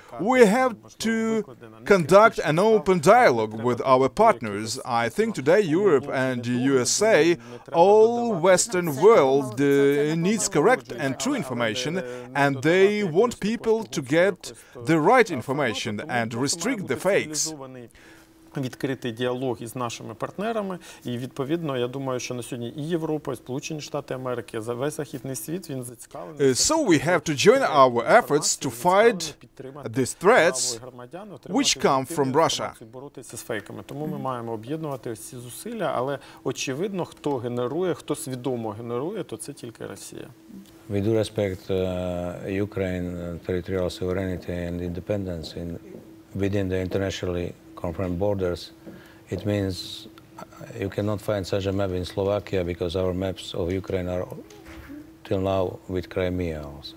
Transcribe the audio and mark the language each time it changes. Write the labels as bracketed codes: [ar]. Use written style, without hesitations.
[en] We have to conduct an open dialogue with our partners. I think today Europe and USA, all Western world needs correct and true information, and they want people to get the right information and restrict the fakes. [uk] Відкритий діалог із нашими партнерами, і відповідно, я думаю, що на сьогодні і Європа, і Сполучені Штати Америки, за весь західний світ він зацікавлений. [en] So we have to join our efforts to fight these threats which come from Russia. [uk] Боротися з фейками. Тому ми маємо об'єднувати всі зусилля, але очевидно, хто генерує, хто свідомо генерує, то це тільки Росія. [en] We do respect Ukraine territorial sovereignty and independence in within the internationally confirmed borders. It means you cannot find such a map in Slovakia because our maps of Ukraine are till now with Crimea also.